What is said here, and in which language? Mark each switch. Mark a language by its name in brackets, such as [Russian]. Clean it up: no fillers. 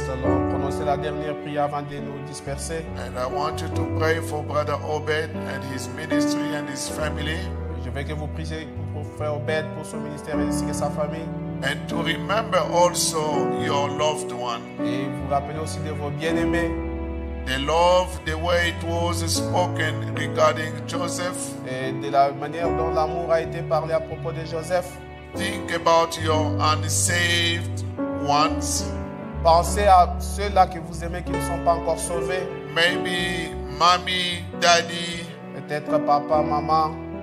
[French] Nous allons prononcer la dernière prière avant de nous disperser. [English] And I want you to pray for Brother Obed and his ministry and his family. [French] Je veux que vous priez pour Frère Obed, pour son ministère ainsi que sa famille. [English] And to remember also your loved one. [French] Et vous rappelez aussi de vos bien-aimés. [English] The love, the way it was spoken regarding Joseph. [French] Et de la manière dont l'amour a été parlé à propos de Joseph. [English] Think about your unsaved ones. [French] Pensez à ceux-là que vous aimez qui ne sont pas encore sauvés. [English] Maybe mommy, daddy. [French] Peut-être papa, maman.